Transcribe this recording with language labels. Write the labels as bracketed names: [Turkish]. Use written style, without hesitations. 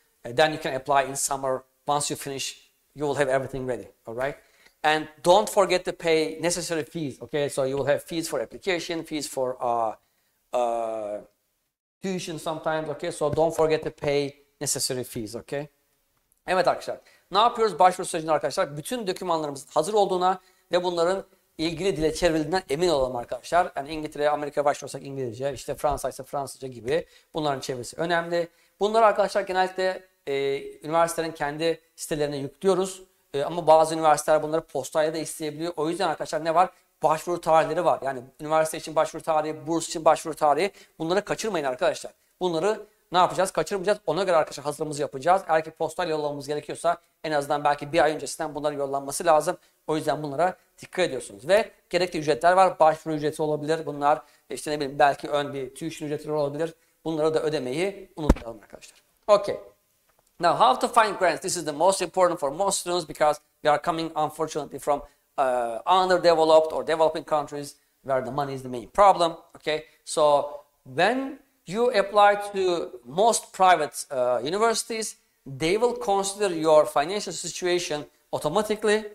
[English] And then you can apply in summer. Once you finish, you will have everything ready, all right? And don't forget to pay necessary fees, okay? So you will have fees for application, fees for tuition sometimes, okay? So don't forget to pay necessary fees, okay? [Turkish] Evet arkadaşlar. Ne yapıyoruz başvuru sürecinde arkadaşlar? Bütün dokümanlarımız hazır olduğuna ve bunların ilgili dile çevrildiğinden emin olalım arkadaşlar. Yani İngiltere'ye, Amerika'ya başvurursak İngilizce, işte Fransa ise Fransızca gibi bunların çevirisi önemli. Bunları arkadaşlar genellikle üniversitelerin kendi sitelerine yüklüyoruz. Ama bazı üniversiteler bunları postayla da isteyebiliyor. O yüzden arkadaşlar ne var? başvuru tarihleri var. Yani üniversite için başvuru tarihi, burs için başvuru tarihi. Bunları kaçırmayın arkadaşlar. Bunları ne yapacağız? Kaçırmayacağız. Ona göre arkadaşlar hazırlığımızı yapacağız. Eğer ki postal yollamamız gerekiyorsa en azından belki bir ay öncesinden bunların yollanması lazım. O yüzden bunlara dikkat ediyorsunuz. Ve gerekli ücretler var. Başvuru ücreti olabilir. Bunlar işte ne bileyim belki ön bir tuition ücretleri olabilir. Bunları da ödemeyi unutmayalım arkadaşlar. [English] Okay. Now, how to find grants? This is the most important for most students because we are coming, unfortunately, from underdeveloped or developing countries where the money is the main problem. Okay, so when you apply to most private universities, they will consider your financial situation automatically.